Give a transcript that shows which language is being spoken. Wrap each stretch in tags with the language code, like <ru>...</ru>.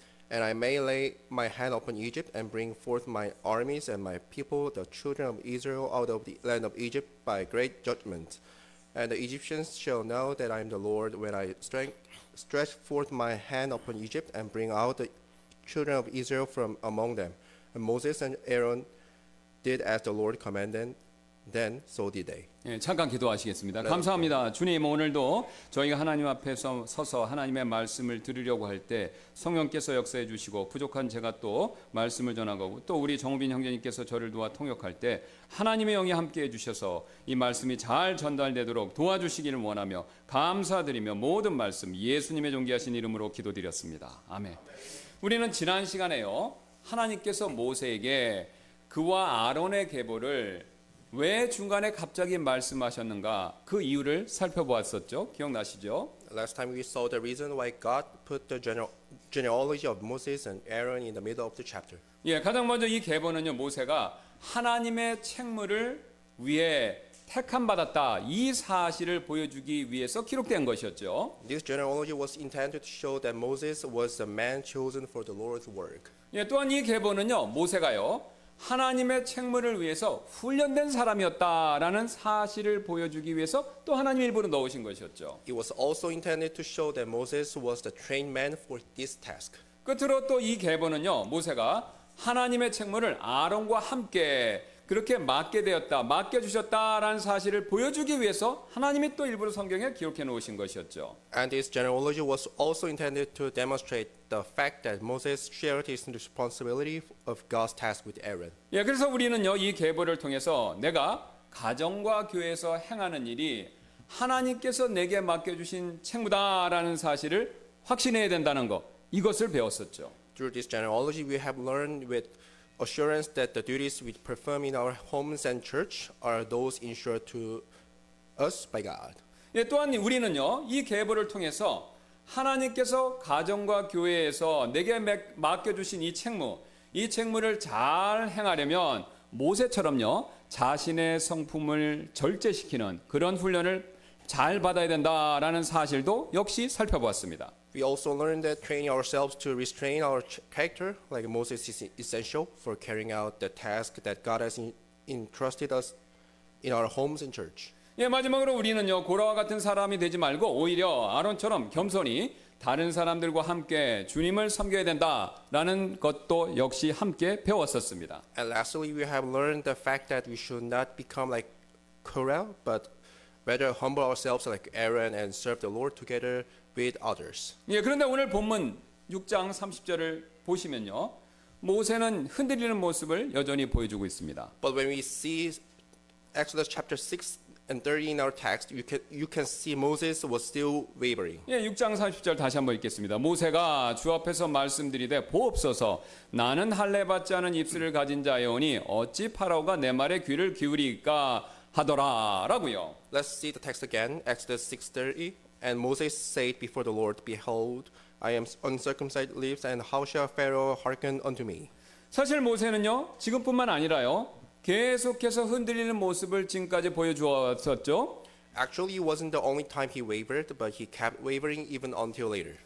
<en>And I may lay my hand upon Egypt and bring forth my armies and my people, the children of Israel, out of the land of Egypt by great judgment. And the Egyptians shall know that I am the Lord when I stretch forth my hand upon Egypt and bring out the children of Israel from among them. And Moses and Aaron did as the Lord commanded them, so did they.</en> <ko>예, 잠깐 기도하시겠습니다. 감사합니다. 주님, 오늘도 저희가 하나님 앞에 서서 하나님의 말씀을 들으려고 할 때 성령께서 역사해 주시고 부족한 제가 또 말씀을 전하고 또 우리 정우빈 형제님께서 저를 도와 통역할 때 하나님의 영이 함께해 주셔서 이 말씀이 잘 전달되도록 도와주시기를 원하며 감사드리며 모든 말씀 예수님의 존귀하신 이름으로 기도드렸습니다. 아멘. 우리는 지난 시간에요, 하나님께서 모세에게 그와 아론의 계보를 왜 중간에 갑자기 말씀하셨는가 그 이유를 살펴보았었죠. 기억나시죠?</ko> <en>Last time we saw the reason why God put the genealogy of Moses and Aaron in the middle of the chapter.</en> <ko>예, 가장 먼저 이 계보는요, 모세가 하나님의 책물을 위해 택함 받았다, 이 사실을 보여주기 위해서 기록된 것이었죠.</ko> <en>This genealogy was intended to show that Moses was a man chosen for the Lord's work.</en> <ko>예, 또한 이 계보는요, 모세가요 하나님의 책물을 위해서 훈련된 사람이었다라는 사실을 보여주기 위해서 또 하나님 일부러 넣으신 것이었죠.</ko> <en>It was also intended to show that Moses was the trained man for this task.</en> <ko>끝으로 또 이 계보는요, 모세가 하나님의 책물을 아론과 함께 그렇게 맡게 되었다, 맡겨주셨다라는 사실을 보여주기 위해서 하나님이 또 일부러 성경에 기록해 놓으신 것이었죠.</ko> <en>And this genealogy was also intended to demonstrate the fact that Moses shared his responsibility of God's task with Aaron.</en> <ko>예, 그래서 우리는요, 이 계보를 통해서 내가 가정과 교회에서 행하는 일이 하나님께서 내게 맡겨주신 책무다라는 사실을 확신해야 된다는 것, 이것을 배웠었죠.</ko> <en>Through this genealogy, we have learned with assurance that the duties we perform in our homes and church are those ensured to us by God.</en> <ko>예, 또한 우리는요, 이 계보를 통해서 하나님께서 가정과 교회에서 내게 맡겨주신 이 책무, 이 책무를 잘 행하려면 모세처럼요, 자신의 성품을 절제시키는 그런 훈련을 잘 받아야 된다라는 사실도 역시 살펴보았습니다.</ko> <en>We also learned that training ourselves to restrain our character like Moses is essential for carrying out the task that God has entrusted us in our homes and church.</en> <ko>예, 마지막으로 우리는요, 고라와 같은 사람이 되지 말고 오히려 아론처럼 겸손히 다른 사람들과 함께 주님을 섬겨야 된다라는 것도 역시 함께 배웠었습니다.</ko> <en>And lastly, we have learned the fact that we should not become like Korah, but rather humble ourselves like Aaron and serve the Lord together with others.</en> <ko>예, 그런데 오늘 본문 6장 30절을 보시면요, 모세는 흔들리는 모습을 여전히 보여주고 있습니다.</ko> <en>But when we see Exodus chapter 6 and 30 in our text, you can see Moses was still wavering.</en> <ko>예, 6장 30절 다시 한번 읽겠습니다. 모세가 주 앞에서 말씀드리되 보옵소서, 나는 할례 받지 않은 입술을 가진 자이오니 어찌 파라오가 내 말에 귀를 기울일까 하더라라고요.</ko> <en>Let's see the text again, Exodus 6:30. And Moses said before the Lord, Behold, I am uncircumcised lips, and how shall Pharaoh hearken unto me?</en> <ko>사실 모세는요, 지금뿐만 아니라요, 계속해서 흔들리는 모습을 지금까지 보여주었었죠.</ko> <en>Actually, it wasn't the only time he wavered, but he kept wavering even until later.</en>